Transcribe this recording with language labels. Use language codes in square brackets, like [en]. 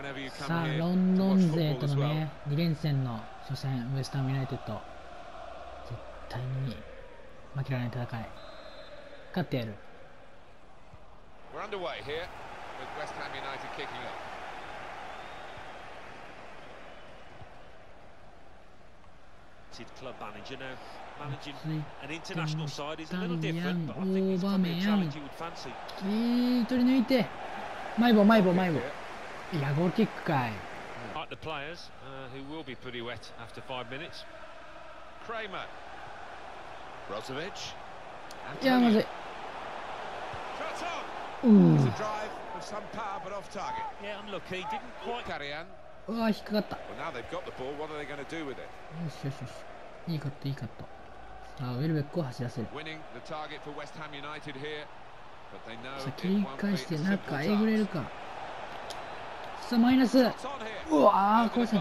[ja] さあ、ロンドン勢とのね、2連戦の初戦、ウェスタムユナイテッド、絶対に負けられない戦い、勝ってやる。 [en] We're underway here with West Ham United kicking off. Club manager now managing an international side is a little different, but I think it's probably a challenge you would fancy. [ja] 取り抜いて、マイボー、マイボー、マイボー。いやゴールキックかい。 [en] Like the players, who will be pretty wet after 5 minutes. Kramer, Brozovic, and yeah, was it? Shot on. It's a drive of some power, but off target. Yeah, unlucky. Didn't quite carry on. Oh, [ja] 引っかかった。 [en] Well, now they've got the ball. What are they going to do with it? [ja] よし。いいカット、いいカット。さあウェルベックを走らせる。 [en] Winning the target for West Ham United here, but they know. [ja] さあ切り返して中えぐれるか。さあマイナス、うわあ、コーチャ